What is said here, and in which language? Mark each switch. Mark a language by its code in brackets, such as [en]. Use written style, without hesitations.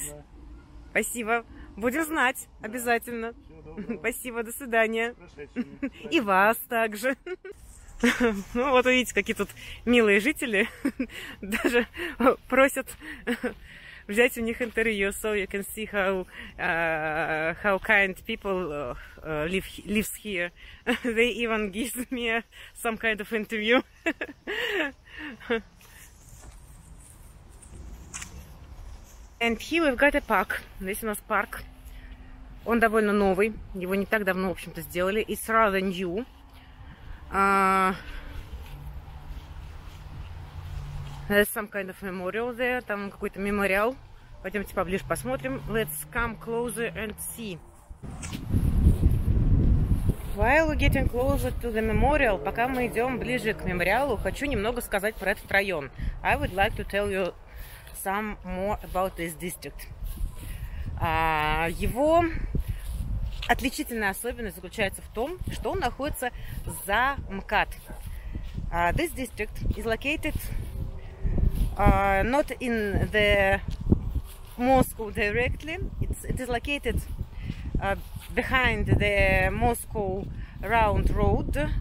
[ru] Лечебно. Спасибо. Будем знать, да. Обязательно. Спасибо, до свидания. И вас также. Ну, вот увидите, какие тут милые жители. Даже просят взять у них интервью. [en] So you can see how kind people lives here. They even give me some kind of interview. And here we've got a park. [ru] Здесь у нас парк. Он довольно новый. Его не так давно, в общем-то, сделали. [en] It's rather new. There's some kind of memorial there. [ru] Там какой-то мемориал. Пойдемте поближе посмотрим. [en] Let's come closer and see. While we're getting closer to the memorial, [ru] пока мы идем ближе к мемориалу, хочу немного сказать про этот район. [en] I would like to tell you some more about this district. [ru] Его отличительная особенность заключается в том, что он находится за МКАД. [en] This district is located not in the Moscow directly. It is located behind the Moscow round road.